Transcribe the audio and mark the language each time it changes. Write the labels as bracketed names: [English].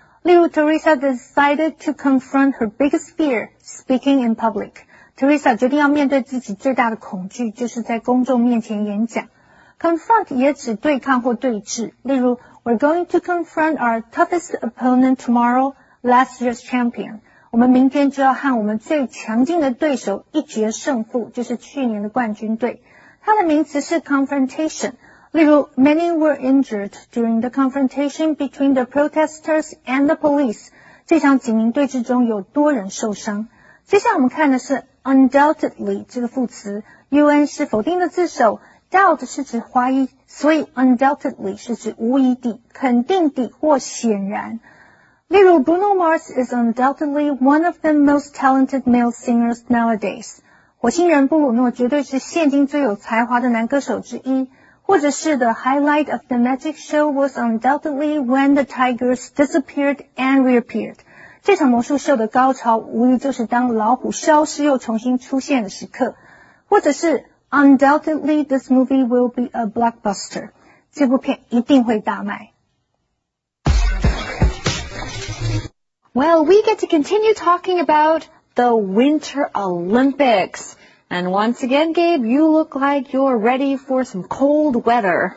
[English] 例如 ，Teresa decided to confront her biggest fear, speaking in public. [Chinese] Teresa 决定要面对自己最大的恐惧，就是在公众面前演讲。 Confront 也指对抗或对峙。 [English] 例如 ，We're going to confront our toughest opponent tomorrow, last year's champion. [Chinese] 我们明天就要和我们最强劲的对手一决胜负，就是去年的冠军队。它的名词是 confrontation。 [English] 例如 ,many were injured during the confrontation between the protesters and the police. [Chinese] 这场警民对峙中有多人受伤。接下来我们看的是 undoubtedly 这个副词。UN 是否定的字首 ,doubt 是指怀疑。所以 undoubtedly 是指无疑地、肯定地或显然。 [English] 例如 Bruno Mars is undoubtedly one of the most talented male singers nowadays. [Chinese] 火星人布鲁诺绝对是现今最有才华的男歌手之一。或者是 [English] The highlight of the magic show was undoubtedly when the tigers disappeared and reappeared. [Chinese] 这场魔术秀的高潮无疑就是当老虎消失又重新出现的时刻。或者是 [English] undoubtedly this movie will be a blockbuster. [Chinese] 这部片一定会大卖。 [English] Well, we get to continue talking about the Winter Olympics. And once again, Gabe, you look like you're ready for some cold weather.